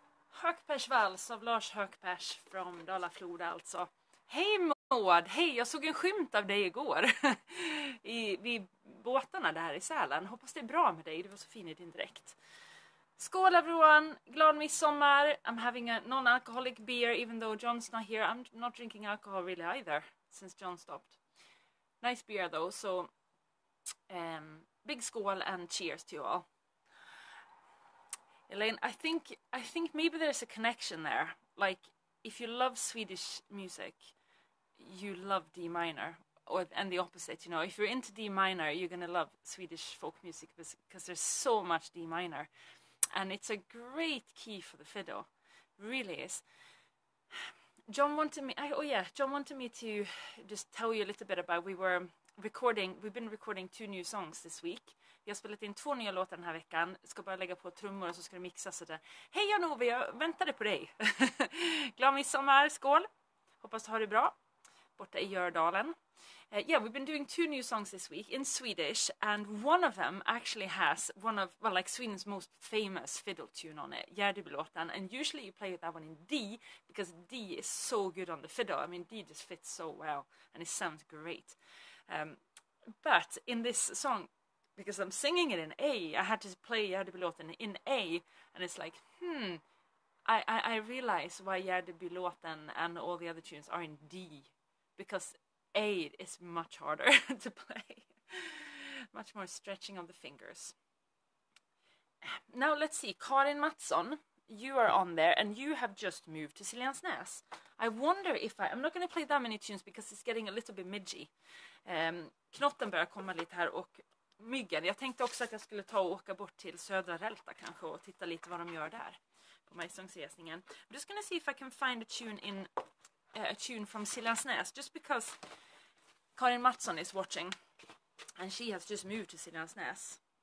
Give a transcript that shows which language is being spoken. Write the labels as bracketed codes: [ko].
[sv] Hökpersvals av Lars Hökpers från Dala Floda alltså. Hej Maud, hej, jag såg en skymt av dig igår vid båtarna där i Sälen. Hoppas det är bra med dig, du var så fin i din dräkt. Skål [en] everyone, [sv] glad midsommar. [en] I'm having a non-alcoholic beer even though John's not here. I'm not drinking alcohol really either since John stopped. Nice beer though, so big skål and cheers to you all. Elaine, I think maybe there's a connection there. Like, if you love Swedish music, you love D minor. And the opposite, you know. If you're into D minor, you're going to love Swedish folk music because there's so much D minor. And it's a great key for the fiddle. Really is. John wanted me to just tell you a little bit about... We've been recording two new songs this week. [sv] Vi har spelat in två nya låtar den här veckan. Ska bara lägga på trummor och så ska det mixas. Hej Jan-Ove, jag väntade på dig. Glad midsommar, skål. Hoppas du har det bra. Borta i Gördalen. [en] Yeah, we've been doing two new songs this week in Swedish. And one of them actually has one of, well, like Sweden's most famous fiddle tune on it. Järdubelåtan. And usually you play that one in D. Because D is so good on the fiddle. I mean, D just fits so well. And it sounds great. But in this song... Because I'm singing it in A, I had to play Järdubelåten in A, and it's like, I realize why Järdubelåten and all the other tunes are in D, because A is much harder to play, much more stretching of the fingers. Now let's see, Karin Mattsson, you are on there, and you have just moved to Siljansnäs. I wonder if I'm not going to play that many tunes because it's getting a little bit midgy. [sv] Knotten börjar komma lite här och myggen. Jag tänkte också att jag skulle ta och åka bort till Södra Rälta kanske och titta lite vad de gör där på majsångsresningen. [en] I'm just gonna see if I can find a tune from Siljansnäs, just because Karin Mattsson is watching and she has just moved to Siljansnäs.